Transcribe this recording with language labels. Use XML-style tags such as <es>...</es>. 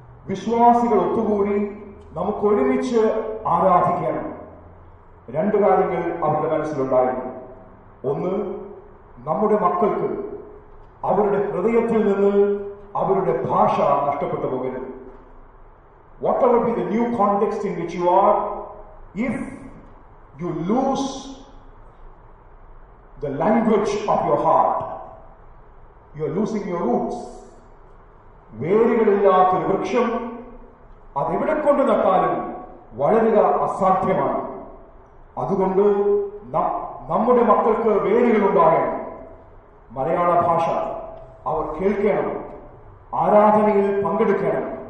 <ml>വിശ്വാസികൾ ഒത്തുകൂടി നമുക്ക് ഒരുമിച്ച് ആരാധിക്കാം. രണ്ട് കാര്യങ്ങൾ അവരുടെ മനസ്സിലുണ്ടായിരുന്നു. ഒന്ന്, നമ്മുടെ മക്കൾക്ക് അവരുടെ ഹൃദയത്തിൽ നിന്ന് അവരുടെ ഭാഷ നഷ്ടപ്പെട്ടു പോകരുത്.</ml> <en>Whatever be the new context in which you are, if you lose the language of your heart, you are losing your roots.</en> <ml>വേരുകളില്ലാത്തൊരു വൃക്ഷം അതെവിടെ കൊണ്ട് നട്ടാലും വളരുക അസാധ്യമാണ്. അതുകൊണ്ട് നമ്മുടെ മക്കൾക്ക് വേരുകളുണ്ടാകണം. മലയാള ഭാഷ അവർ കേൾക്കണം, ആരാധനയിൽ പങ്കെടുക്കണം.</ml>